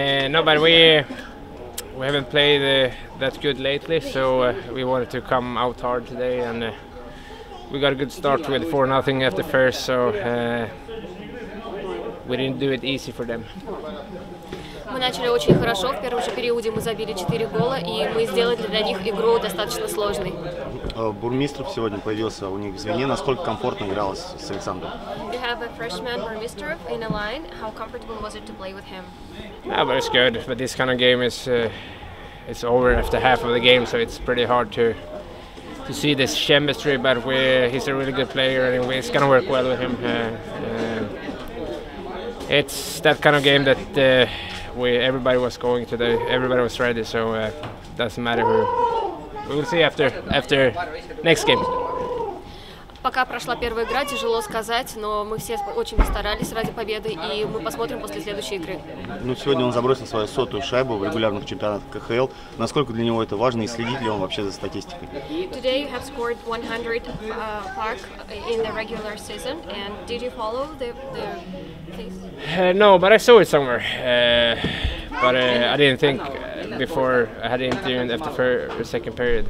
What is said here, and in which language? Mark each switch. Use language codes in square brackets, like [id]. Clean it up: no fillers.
[en] No, but we haven't played that good lately, so we wanted to come out hard today, and we got a good start with 4-0 at the first, so we didn't do it easy for them. [ru] Мы начали очень хорошо. В первом же периоде мы забили 4 гола, и мы сделали для них игру достаточно сложной. Бурмистров сегодня появился у них в звене. Насколько комфортно игралось с Александром? [en] You have a freshman Бурмистров in a line. How comfortable was it to play with him? Yeah, but it's good. But this kind of game is it's over after half of the game, so it's pretty hard to see this chemistry. But he's a really good player, and it's gonna work well with him. It's that kind of game that everybody was going today. Everybody was ready, so doesn't matter who. We'll see after next game. [ru] Пока прошла первая игра, тяжело сказать, но мы все очень старались ради победы, и мы посмотрим после следующей игры. Ну, сегодня он забросил свою 100-ю шайбу в регулярных чемпионатах КХЛ. Насколько для него это важно, и следит ли он вообще за статистикой? [en] Today you have scored 100 mark in the regular season, and did you follow the case? No, but I saw it somewhere. But I didn't think before I had an interview after the second period.